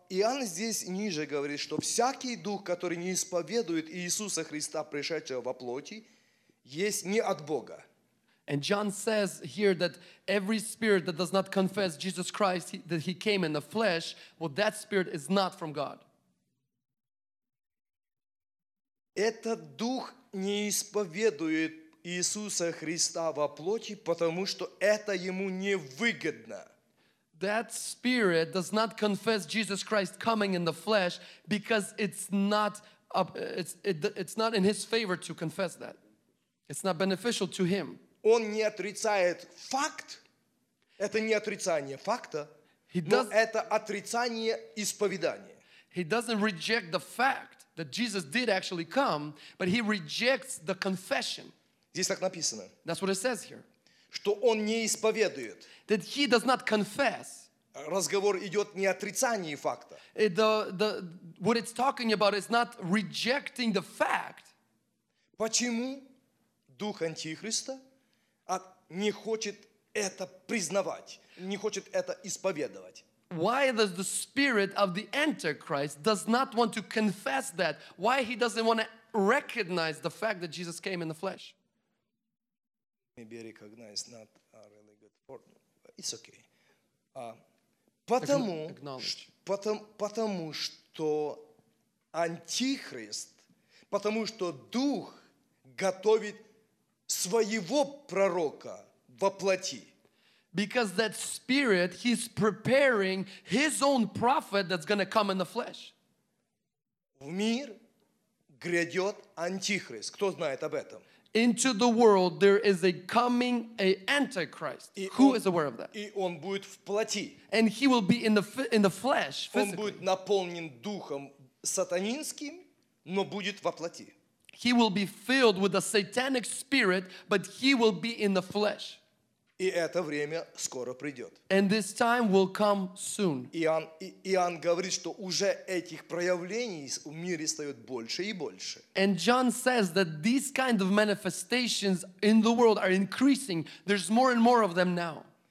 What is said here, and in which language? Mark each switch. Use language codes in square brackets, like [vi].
[ru] Иоанн здесь ниже говорит, что всякий дух, который не исповедует Иисуса Христа, пришедшего во плоти, есть не от Бога. [en] And John says here that every spirit that does not confess Jesus Christ, that he came in the flesh, well, that spirit is not from God. [ru] Этот дух не исповедует Иисуса Христа во плоти, потому что это ему невыгодно. [en] That spirit does not confess Jesus Christ coming in the flesh because it's not in his favor to confess that. It's not beneficial to him. [ru] Он не отрицает факт. Это не отрицание факта, но это отрицание исповедания. [en] He doesn't reject the fact that Jesus did actually come, but he rejects the confession. [ru] Здесь так написано. [en] That's what it says here. [ru] Что он не исповедует. [en] That he does not confess. [ru] Разговор идет не отрицание факта. [en] What it's talking about is not rejecting the fact. [ru] Почему дух Антихриста не хочет это признавать, не хочет это исповедовать? [en] Why does the spirit of the Antichrist does not want to confess that? Why he doesn't want to recognize the fact that Jesus came in the flesh? Maybe recognize not a really good word. It's okay. [ru] Потому, [en] acknowledge. [ru] Потому что Антихрист, потому что Дух готовит своего пророка во плоти. [en] Because that spirit, he's preparing his own prophet that's going to come in the flesh. [ru] В мир грядет Антихрист. Кто знает об этом? [en] Into the world, there is a coming, a Antichrist. [ru] И [en] Who [ru] он, [en] is aware of that? [ru] И он будет в плоти. [en] And he will be in the flesh, physically. [ru] Он будет наполнен духом сатанинским, но будет во плоти. [en] He will be filled with a satanic spirit, but he will be in the flesh. [ru] И это время скоро придет. [en] And this time will come soon. [ru] Иоанн говорит, что уже этих проявлений в мире стоит больше и больше. [en] And John says that these kind of manifestations in the world are increasing. There's more and more of them now.